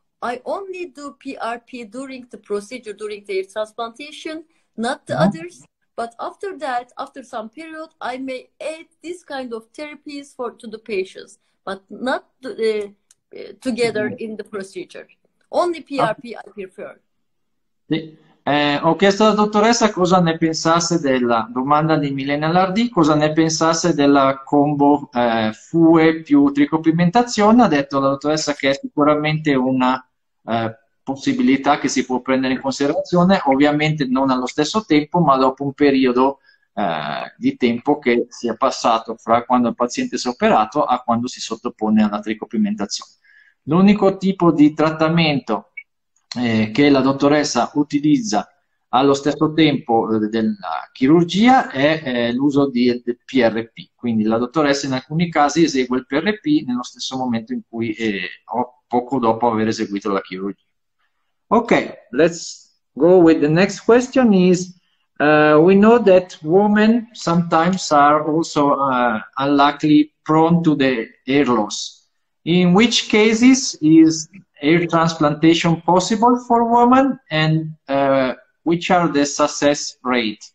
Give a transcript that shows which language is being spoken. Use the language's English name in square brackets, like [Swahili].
[English] I only do PRP during the procedure, during their transplantation, not the others. But after that, after some period, I may add this kind of therapies for to the patients, but not together in the procedure. Only PRP I prefer. [Italian] Sì. Ho chiesto alla dottoressa cosa ne pensasse della domanda di Milena Lardì, cosa ne pensasse della combo FUE più tricopigmentazione. Ha detto la dottoressa che è sicuramente una possibilità che si può prendere in considerazione, ovviamente non allo stesso tempo, ma dopo un periodo di tempo che sia passato fra quando il paziente si è operato a quando si sottopone alla tricopigmentazione. L'unico tipo di trattamento che la dottoressa utilizza allo stesso tempo della chirurgia è l'uso di PRP. Quindi la dottoressa in alcuni casi esegue il PRP nello stesso momento in cui poco dopo aver eseguito la chirurgia. [English] Ok, let's go with the next question is we know that women sometimes are also unlikely prone to the hair loss. In which cases is hair transplantation possible for women, and which are the success rate?